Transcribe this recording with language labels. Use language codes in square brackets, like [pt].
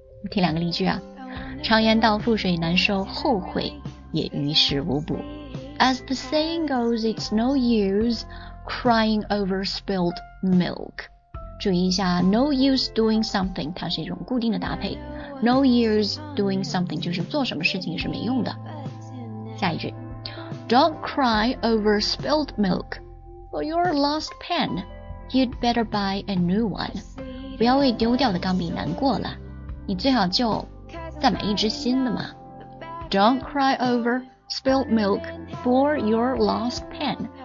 [zh] 听两个例句啊，常言道覆水难收，后悔也于事无补。 [en] As the saying goes, it's no use crying over spilled milk. [zh] 注意一下 [en] no use doing something， [zh] 它是一种固定的搭配。 [en] No use doing something [zh] 就是做什么事情也是没用的。 [en] 下一句，Don't cry over spilled milk, or your lost pen. You'd better buy a new one. [zh] 不要为丢掉的钢笔难过了，你最好就再买一支新的嘛。 [en] Don't cry over spilled milk, or your lost pen.